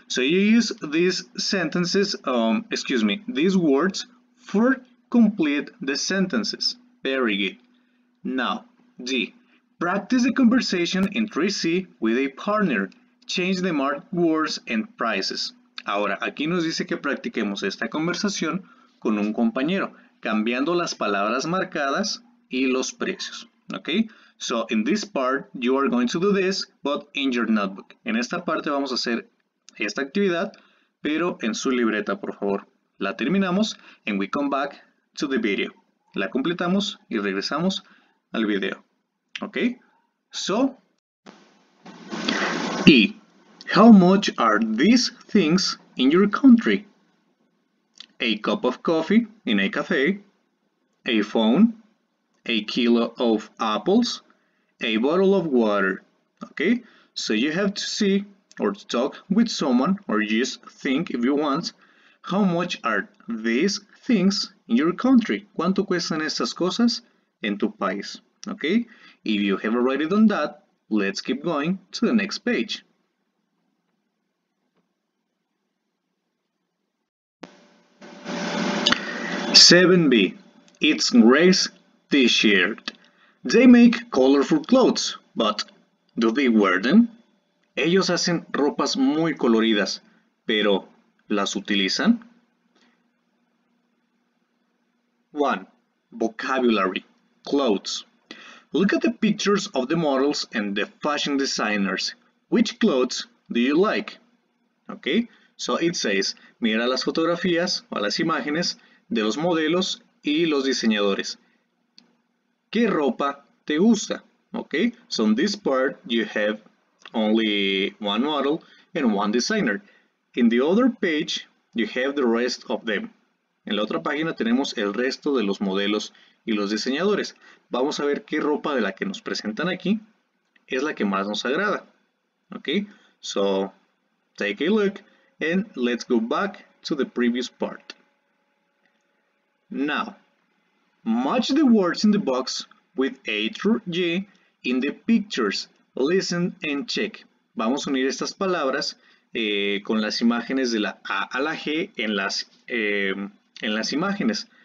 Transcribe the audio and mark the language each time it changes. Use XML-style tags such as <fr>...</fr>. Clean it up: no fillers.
<en>So you use these sentences, these words for complete the sentences. Very good. Now, D. Practice the conversation in 3C with a partner. Change the marked words and prices.</en> <es>Ahora, aquí nos dice que practiquemos esta conversación con un compañero, cambiando las palabras marcadas y los precios. Okay?</es> <en>So, in this part, you are going to do this, but in your notebook.</en> <es>En esta parte vamos a hacer esta actividad, pero en su libreta, por favor. La terminamos,</es> <en>and we come back to the video.</en> <es>La completamos y regresamos al video. Okay?</es> <en>So, E. How much are these things in your country? A cup of coffee in a cafe, a phone, a kilo of apples, a bottle of water. Okay? So you have to see or to talk with someone or just think if you want, how much are these things in your country?</en> <es>¿Cuánto cuestan estas cosas en tu país? Okay?</es> <en>If you have already done that, let's keep going to the next page. Seven B. It's gray t-shirt. They make colorful clothes, but do they wear them?</en> <es>Ellos hacen ropas muy coloridas, pero ¿las utilizan?</es> <en>1. Vocabulary. Clothes. Look at the pictures of the models and the fashion designers. Which clothes do you like? Okay, so it says,</en> <es>mira las fotografías o las imágenes de los modelos y los diseñadores. ¿Qué ropa te gusta?</es> <en>Okay, so in this part you have only one model and one designer. In the other page you have the rest of them.</en> <es>En la otra página tenemos el resto de los modelos y los diseñadores. Vamos a ver qué ropa de la que nos presentan aquí es la que más nos agrada.</es> <en>Okay, so take a look and let's go back to the previous part. Now, match the words in the box with A through G in the pictures. Listen and check.</en> <es>Vamos a unir estas palabras con las imágenes de la A a la G en las imágenes.</es>